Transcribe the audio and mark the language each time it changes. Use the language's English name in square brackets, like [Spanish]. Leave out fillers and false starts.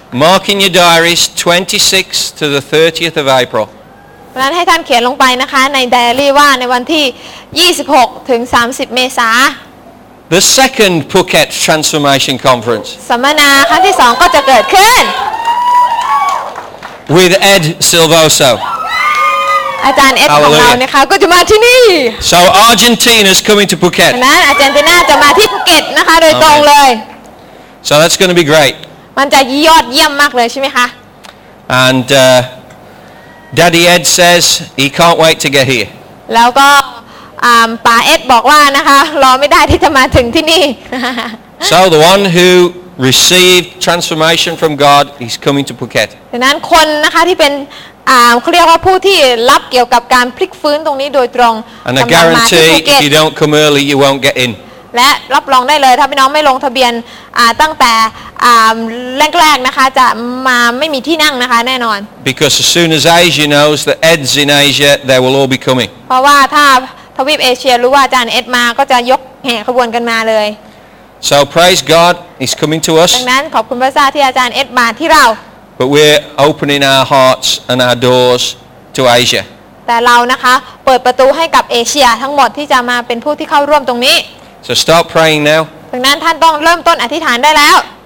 [English] Mark in your diaries 26th to the 30th of April [Thai] เพราะนั้นให้ท่านเขียนลงไปนะคะในไดอารี่ว่าในวันที่26ถึง30เมษายน [English] The second Phuket Transformation Conference [Thai] สัมมนาครั้งที่2ก็จะเกิดขึ้น [English] With Ed Silvoso [Thai] อาจารย์เอ็ดของเรานะคะก็จะมาที่นี่ [English] So Argentina's coming to Phuket [Thai] นะอาจารย์ติน่าจะมาที่ภูเก็ตนะคะโดยตรงเลย [English] So that's going to be great [Thai] มันจะยอดเยี่ยมมากเลยใช่ไหมคะ [English] And Daddy Ed says he can't wait to get here [Thai] แล้วก็ ป๋าเอ็ดบอกว่านะคะรอไม่ได้ที่จะมาถึงที่นี่ [English] So the one who received transformation from God is coming to Phuket [Thai] ดังนั้นคนนะคะที่เป็นเขาเรียกว่าผู้ที่รับเกี่ยวกับการพลิกฟื้นตรงนี้โดยตรง [English] And I guarantee if you don't come early you won't get in [Thai] และรับรองได้เลยถ้าพี่น้องไม่ลงทะเบียนตั้งแต่แรกๆนะคะจะมาไม่มีที่นั่งนะคะแน่นอน [English] Because as soon as Asia knows that Ed's in Asia they will all be coming [Thai] เพราะว่าถ้าทวีปเอเชียรู้ว่าอาจารย์เอ็ดมาก็จะยกแห่ขบวนกันมาเลย [English] So praise God he's coming to us [Thai] ดังนั้นขอบคุณพระเจ้าที่อาจารย์เอ็ดมาที่เรา [English] But we're opening our hearts and our doors to Asia [Thai] แต่เรานะคะเปิดประตูให้กับเอเชียทั้งหมดที่จะมาเป็นผู้ที่เข้าร่วมตรงนี้ [English] So start praying now. [Thai] ดังนั้นท่านต้องเริ่มต้นอธิษฐานได้แล้ว